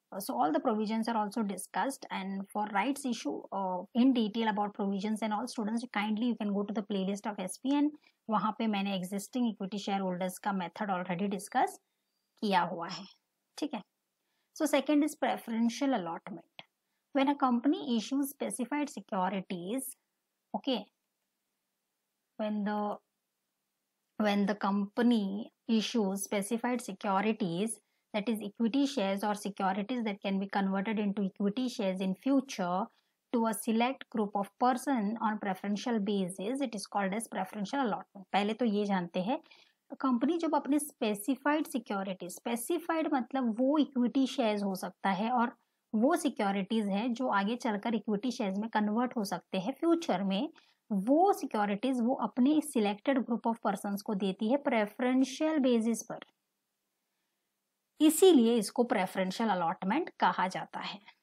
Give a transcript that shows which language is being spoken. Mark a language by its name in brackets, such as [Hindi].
[English] So all the provisions are also discussed, and for rights issue in detail about provisions and all, students kindly you can go to the playlist of SPN. [Hindi] वहाँ पे मैंने existing equity share holders का method already discuss किया हुआ है. ठीक है, [English] So second is preferential allotment. When a company issues specified securities, okay, when the company issues specified securities, that is equity shares or securities that can be converted into equity shares in future to a select group of person on preferential basis, it is called as preferential allotment. [Hindi] पहले तो ये जानते हैं, company जब अपने specified securities, specified मतलब वो equity shares हो सकता है, और वो सिक्योरिटीज है जो आगे चलकर इक्विटी शेयर्स में कन्वर्ट हो सकते हैं फ्यूचर में, वो सिक्योरिटीज वो अपने सिलेक्टेड ग्रुप ऑफ पर्संस को देती है प्रेफरेंशियल बेसिस पर, इसीलिए इसको प्रेफरेंशियल अलॉटमेंट कहा जाता है.